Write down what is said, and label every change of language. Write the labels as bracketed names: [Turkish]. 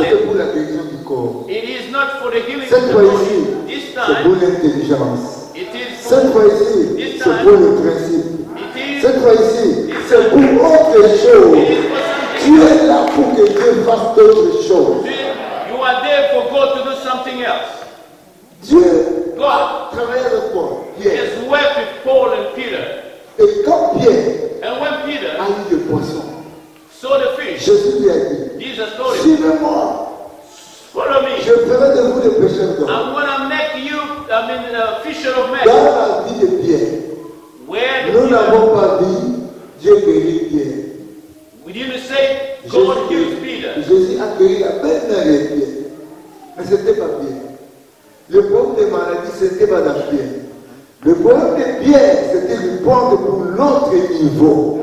[French] c'est pour la guérison du corps. [English] It is not for the healing [French] cette [English] of the body. [French] Cette fois-ci. [English] This time. [French] C'est pour l'intelligence. [English] It is for [French] cette fois-ci. [English] This time. [French] C'est pour le principe. Cette fois-ci, c'est pour autre chose. Tu es là pour que Dieu fasse d'autres choses. [English] You are there for God to do something else. [French] Dieu [English] God [French] travaille avec Paul. [English] Yes. He has worked with Paul and Peter. [French] Et quand Pierre [English] and when Peter [French] a eu le poisson, [English] saw the fish, [French] Jésus lui a dit, suivez-moi. [English] Follow me. [French] Je ferai de vous des pêcheurs d'hommes. [English] I'm going to make you, fisher of men. [French] Dans la vie de Pierre, nous n'avons pas dit Dieu guérit Pierre. [English] We didn't say God heals Peter. [French] Jésus a guéri la peine de Pierre. Mais ce n'était pas Pierre. Le problème des maladies, ce n'était pas dans Pierre. Le problème de Pierre, c'était de prendre pour l'autre niveau.